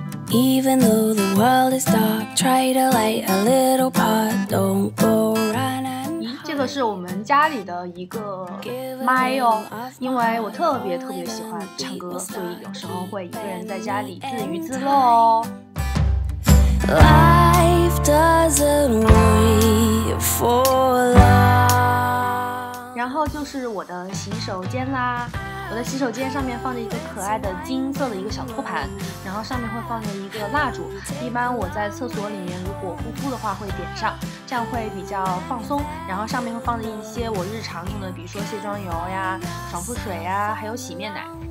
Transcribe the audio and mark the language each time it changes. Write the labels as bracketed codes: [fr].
[en] Even though the world is dark, try to light a little part. Don't go run and hide. [zh] 这个是我们家里的一个麦哦，因为我特别特别喜欢唱歌，所以有时候会一个人在家里自娱自乐哦。 [en] Life doesn't wait for love. [zh] 然后就是我的洗手间啦。我的洗手间上面放着一个可爱的金色的一个小托盘，然后上面会放着一个蜡烛，一般我在厕所里面如果呼呼的话会点上，这样会比较放松。然后上面会放着一些我日常用的，比如说卸妆油呀、爽肤水呀，还有洗面奶。